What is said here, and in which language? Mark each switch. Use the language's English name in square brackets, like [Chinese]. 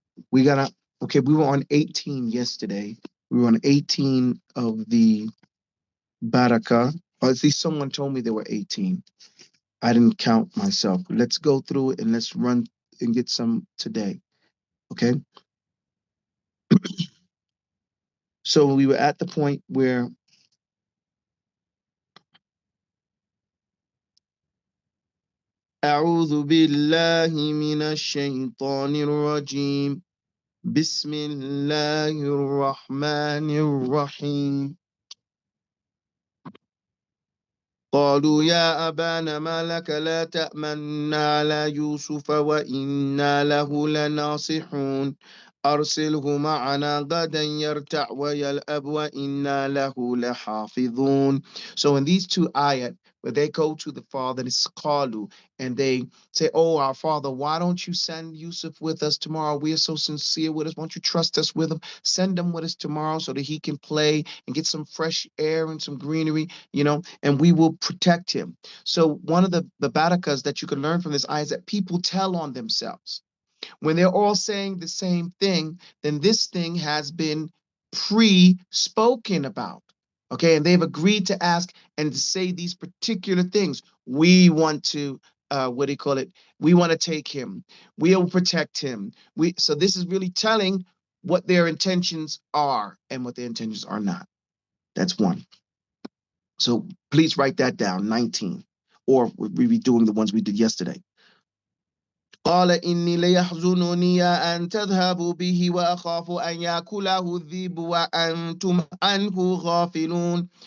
[English] We were on 18 yesterday. We were on 18 of the baraka. Or at least someone told me there were 18. I didn't count myself. Let's go through it and let's run and get some today. Okay. So we were at the point where [Arabic] أعوذ بالله من الشيطان الرجيم بسم الله الرحمن الرحيم قالوا يا أبانا ما لك لا تأمنا على يوسف وإنا له لناصحون أرسله معنا غدا يرتع ويلأب وإنا له لحافظون. [English] So in these two ayat, where they go to the father, it's Kalu, and they say, oh, our father, why don't you send Yusuf with us tomorrow? We are so sincere with us. Won't you trust us with him? Send him with us tomorrow so that he can play and get some fresh air and some greenery, you know, and we will protect him. So one of the barakas that you can learn from this ayah is that people tell on themselves. When they're all saying the same thing, then this thing has been pre-spoken about. Okay, and they've agreed to ask and to say these particular things. We want to, what do you call it? We want to take him. We will protect him. So this is really telling what their intentions are and what their intentions are not. That's one. So please write that down, 19. Or we'll be doing the ones we did yesterday. [Arabic] قال إني ليحزنني أن تذهبوا به وأخاف أن يأكله الذئب وأنتم عنه غافلون.